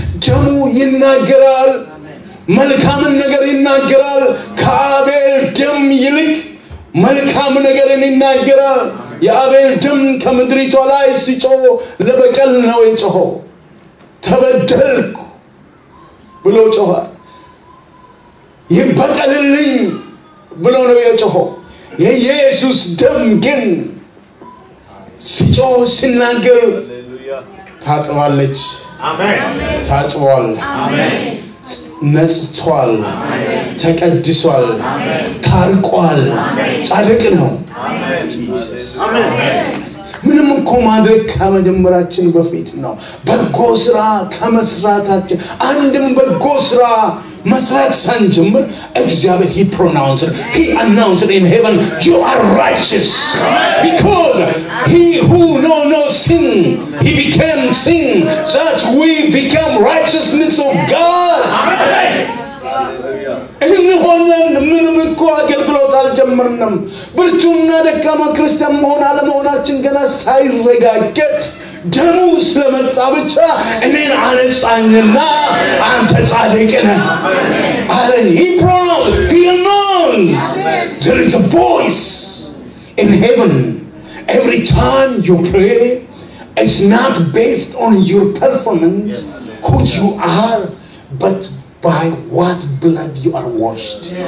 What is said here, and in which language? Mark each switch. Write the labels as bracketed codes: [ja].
[am] ደሙ ይናገራል። መልካምን ነገር ይናገራል። ከአቤል ደም ይልቅ መልካም ነገርን ይናገራል። የአቤል ደም ከምድሪቷ ላይ ሲጮህ ለበቀል ነው የጮኸው። ተበደልኩ ብሎ ጮኸ። ይበቀልልኝ ብሎ ነው የጮኸው። የኢየሱስ ደም ግን ሲጮህ ሲናገር ታጥባለች። አሜን። ታጥቧል። አሜን። ነጽቷል። ተቀድሷል። ታርቋል። ጻድቅ ነው። ምንም እኮ ማድረግ ከመጀመራችን በፊት ነው። በጎ ስራ ከመስራታችን አንድም በጎ ስራ መስራት ሳንጀምር እግዚአብሔር [en] he announced in heaven, you are righteous because he who know no sin he became sin that we become righteousness of God. Amen. [am] እንሆነን ምንም እኮ አገልግሎት አልጀመረም። አላመንንም ብርቱና ደካማ ክርስቲያን መሆን አለመሆናችን ገና ሳይረጋገጥ ደሙ ስለመጣ ብቻ እኔን አነጻኝና አንተ ጻድቅ ነህ አለኝ [en] He proud, he knows There is a voice in heaven Every time you pray It's not based on your performance Who you are But by what blood you are washed